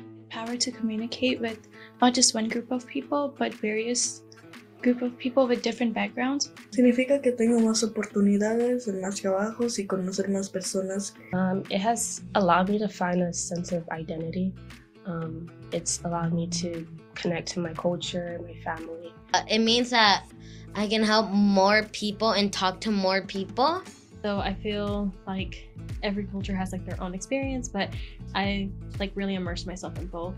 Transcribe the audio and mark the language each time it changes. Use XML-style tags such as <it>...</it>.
<en>Power to communicate with not just one group of people, but various group of people with different backgrounds.</en> <es>Significa que tengo más oportunidades en más trabajos y conocer más personas.</es> <en>It has allowed me to find a sense of identity. It's allowed me to connect to my culture and my family. It means that I can help more people and talk to more people. So I feel like every culture has like their own experience, but I like really immerse myself in both.</en>